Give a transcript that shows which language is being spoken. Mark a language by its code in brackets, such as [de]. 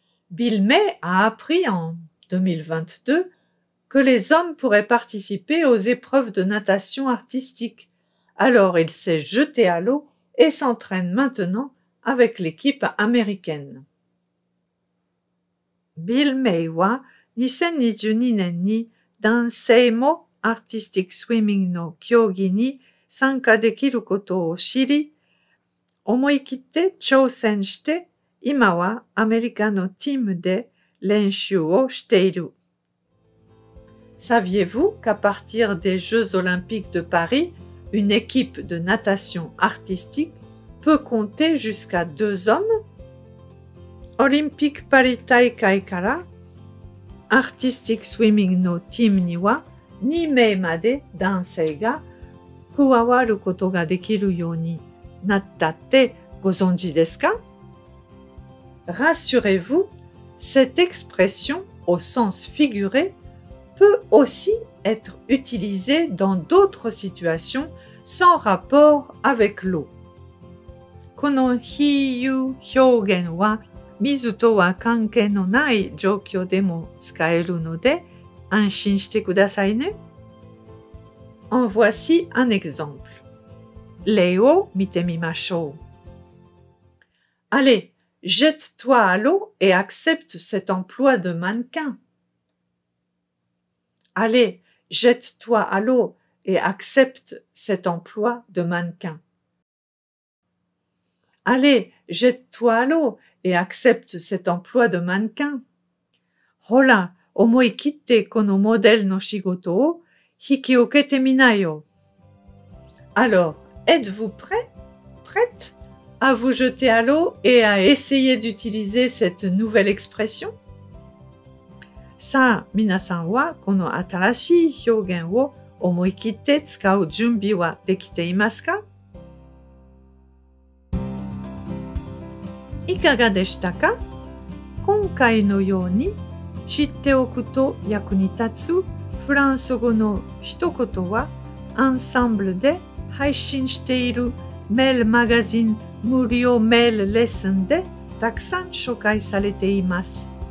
[fr] Bill May a appris en 2022 que les hommes pourraient participer aux épreuves de natation artistique. Alors, il s'est jeté à l'eau et s'entraîne maintenant avec l'équipe américaine. [ja] Bill May wa 2022 年に男性もアーティスティックスイミングの競技に参加できることを知り、思い切って挑戦して、今はアメリカのチームで練習をしている。 [fr] Saviez-vous qu'à partir des Jeux Olympiques de Paris, une équipe de natation artistique peut compter jusqu'à 2 hommes? [ja] オリンピックパリ大会から、アーティスティックスイミングのチームには2名まで男性が加わることができるようになったってご存知ですか? [fr] Rassurez-vous, cette expression au sens figuré peut aussi être utilisée dans d'autres situations sans rapport avec l'eau. [ja] この比喩表現は水とは関係のない状況でも使えるので、安心してくださいね。 [fr] En voici un exemple. [ja] 例を見てみましょう。 [fr] Allez, jette-toi à l'eau et accepte cet emploi de mannequin. Allez, jette-toi à l'eau et accepte cet emploi de mannequin. Allez, jette-toi à l'eau. Et accepte cet emploi de mannequin. [ja] ほら、思い切ってこのモデルの仕事を引き受けてみなよ。 [fr] Alors, êtes-vous prête à vous jeter à l'eau et à essayer d'utiliser cette nouvelle expression? [ja] さあ、皆さんはこの新しい表現を思い切って使う準備はできていますか? いかがでしたか？今回のように知っておくと役に立つフランス語の一言は、アンサンブルで配信しているメールマガジン無料メールレッスンでたくさん紹介されています。